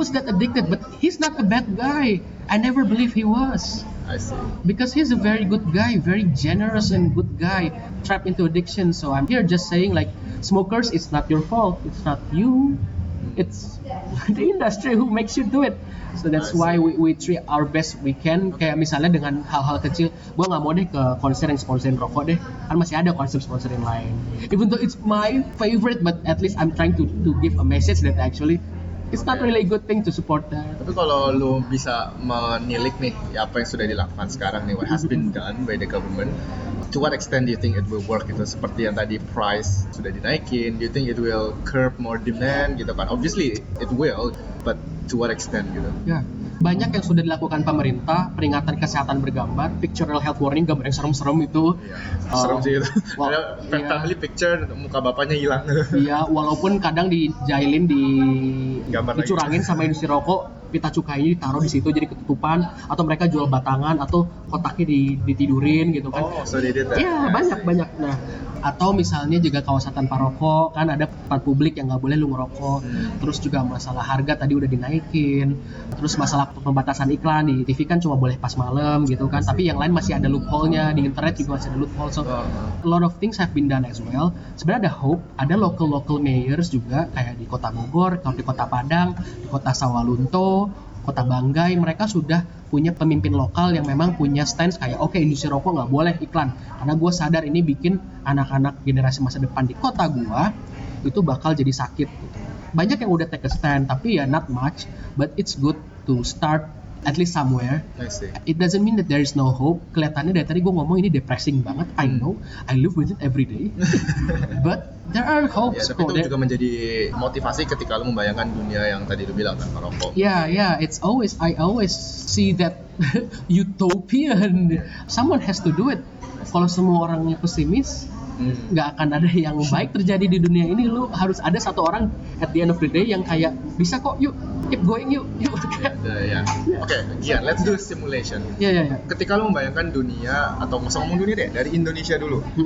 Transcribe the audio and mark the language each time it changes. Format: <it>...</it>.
<en>He was that addicted, but he's not a bad guy. I never believe he was. Because he's a very good guy, very generous and good guy, trapped into addiction. So I'm here just saying like, smokers, it's not your fault, it's not you, it's the industry who makes you do it. So that's why we treat our best we can. Okay.</en> <id>Kayak misalnya dengan hal-hal kecil, gue gak mau deh ke konser yang sponsorin rokok deh, kan masih ada konser sponsorin lain.</id> <en>Even though it's my favorite, but at least I'm trying to give a message that actually it's not really a good thing to support that.</en> <id>Tapi kalau lu bisa menilik nih apa yang sudah dilakukan sekarang nih,</id> <en>what has been done by the government, to what extent do you think it will work</en> <id>gitu? Seperti yang tadi price sudah dinaikin,</id> <en>do you think it will curb more demand</en> <id>gitu kan?</id> <en>Obviously it will, but to what extent gitu? Yeah.</en> <id>Banyak yang sudah dilakukan pemerintah, peringatan kesehatan bergambar, pictorial health warning, gambar yang serem-serem itu. Iya, serem sih itu. Family picture, muka bapaknya hilang. Iya, walaupun kadang dijailin, dicurangin sama industri rokok, pita cukainya ditaruh di situ jadi ketutupan, atau mereka jual batangan, atau kotaknya ditidurin gitu kan.</id> <en>Oh, so they did that.</en> <id>Iya, banyak-banyak. Nah, atau misalnya juga kawasan tanpa rokok, kan ada tempat publik yang gak boleh lu ngerokok. Terus juga masalah harga tadi udah dinaikin. Terus masalah pembatasan iklan di TV kan cuma boleh pas malam gitu kan. Tapi yang lain masih ada loophole-nya, di internet juga masih ada loophole.</id> <en>So a lot of things have been done as well.</en> <id>Sebenarnya ada hope, ada local-local mayors juga, kayak di kota Bogor, di kota Padang, di kota Sawalunto, kota Banggai, mereka sudah punya pemimpin lokal yang memang punya stance kayak okay, industri rokok gak boleh iklan, karena gue sadar ini bikin anak-anak generasi masa depan di kota gue itu bakal jadi sakit. Banyak yang udah</id> <en>take a stand,</en> <id>tapi ya</id> <en>not much, but it's good to start at least somewhere. It doesn't mean that there is no hope.</en> <id>Kelihatannya dari tadi gue ngomong ini depressing banget,</id> <en>I know, I live with it every day. But there are hopes.</en> <id>Ya, tapi itu juga menjadi motivasi ketika lu membayangkan dunia yang tadi lu bilang tanpa rokok.</id> <en>Yeah, it's always, I always see that utopian. Someone has to do it.</en> <id>Kalau semua orangnya pesimis, gak akan ada yang baik terjadi di dunia ini. Lu harus ada satu orang</id> <en>at the end of the day</en> <id>yang kayak, bisa kok, yuk, keep going, yuk.</id> <en>Okay, let's do simulation.</en> <id>Ketika lu membayangkan dunia, atau misalnya ngomong dunia deh, dari Indonesia dulu.</id>